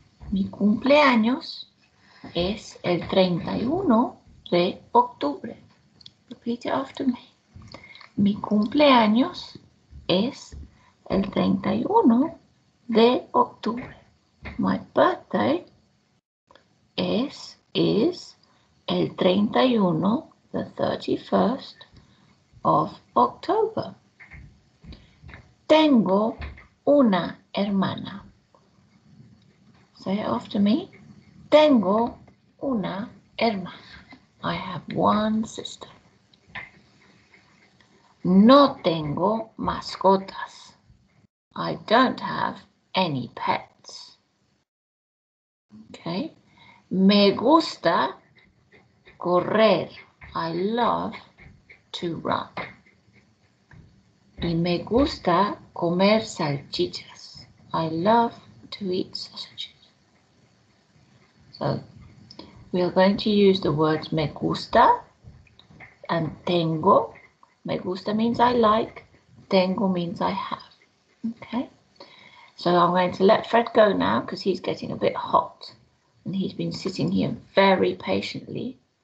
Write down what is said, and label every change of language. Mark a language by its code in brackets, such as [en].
[es] Mi cumpleaños es el 31 de octubre. [en] Repeat it after me. [es] Mi cumpleaños es el 31 de octubre. [en] My birthday is el 31, the 31st of October. [es] Tengo una hermana. [en] Say it after me. [es] Tengo una hermana. [en] I have one sister. [es] No tengo mascotas. [en] I don't have any pets. Okay. [es] Me gusta correr. [en] I love to run. [es] Y me gusta comer salchichas. [en] I love to eat sausages. So, we are going to use the words me gusta and tengo. Me gusta means I like. Tengo means I have. Okay? So, I'm going to let Fred go now because he's getting a bit hot and he's been sitting here very patiently.